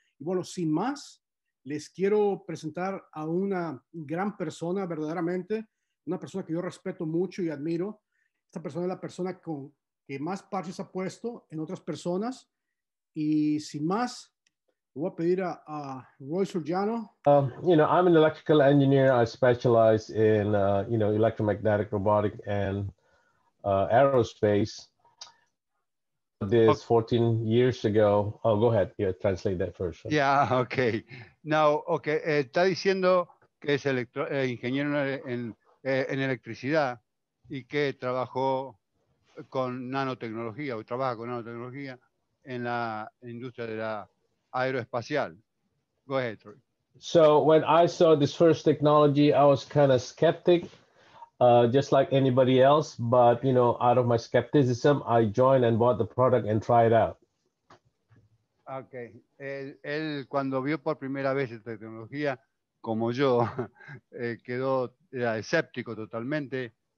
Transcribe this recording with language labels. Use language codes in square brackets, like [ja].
[es] Y bueno, sin más, les quiero presentar a una gran persona, verdaderamente, una persona que yo respeto mucho y admiro. Esta persona es la persona con que más parches ha puesto en otras personas. Y sin más, voy a pedir a Roy Surjano. [en] You know, I'm an electrical engineer. I specialize in, you know, electromagnetic, robotic, and aerospace. This 14 years ago. Oh, go ahead. Yeah, translate that first. [es] Yeah, okay. Now, okay. Está diciendo que es ingeniero en electricidad. Y que trabajó con nanotecnología o trabaja con nanotecnología en la industria de la aeroespacial. [en] Go ahead, Troy. So when I saw this first technology, I was kind of skeptic, just like anybody else. But you know, out of my skepticism, I joined and bought the product and tried it out. Okay. [es] Él cuando vio por primera vez esta tecnología, como yo, quedó escéptico totalmente.